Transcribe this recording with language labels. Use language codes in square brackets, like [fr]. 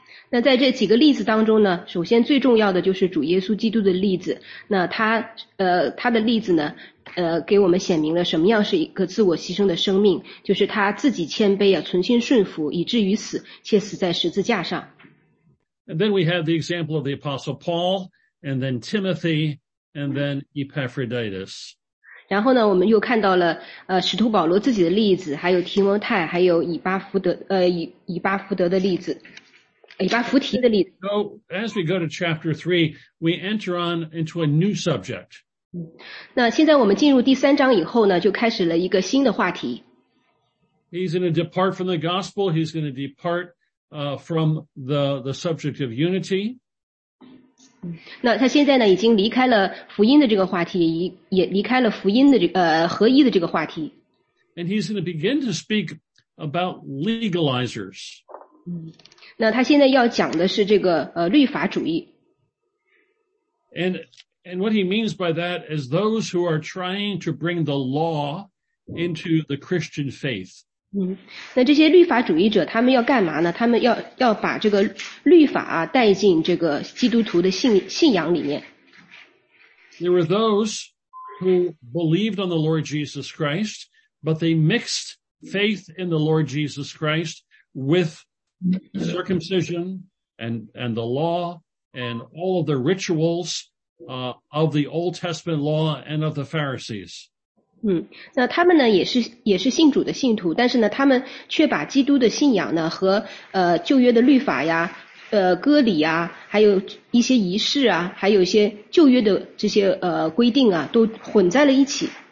[zh] 那在这几个例子当中呢，首先最重要的就是主耶稣基督的例子。那他的例子呢，给我们显明了什么样是一个自我牺牲的生命，就是他自己谦卑啊，存心顺服，以至于死，且死在十字架上。 [en] And then we have the example of the Apostle Paul, and then Timothy, and then Epaphroditus. [zh] 然后呢，我们又看到了使徒保罗自己的例子，还有提摩太，还有以巴弗德的例子。 [en] So as we go to chapter 3, we enter on into a new subject. [zh] 那现在我们进入第三章以后呢，就开始了一个新的话题。 [en] He's going to depart from the gospel. He's going to depart from the subject of unity. [zh] 那他现在呢，已经离开了福音的这个话题，也离开了福音的合一的这个话题。 [en] And he's going to begin to speak about legalizers. [zh] 那他现在要讲的是这个律法主义。 [en] And what he means by that is those who are trying to bring the law into the Christian faith. [zh] 那这些律法主义者他们要干嘛呢？他们要把这个律法啊带进这个基督徒的信仰里面。 [en] There were those who believed on the Lord Jesus Christ, but they mixed faith in the Lord Jesus Christ with circumcision and the law and all of the rituals of the Old Testament law and of the Pharisees. [zh] 那他们呢也是信主的信徒，但是呢他们却把基督的信仰呢和旧约的律法呀、割礼啊，还有一些仪式啊，还有一些旧约的这些规定啊，都混在了一起。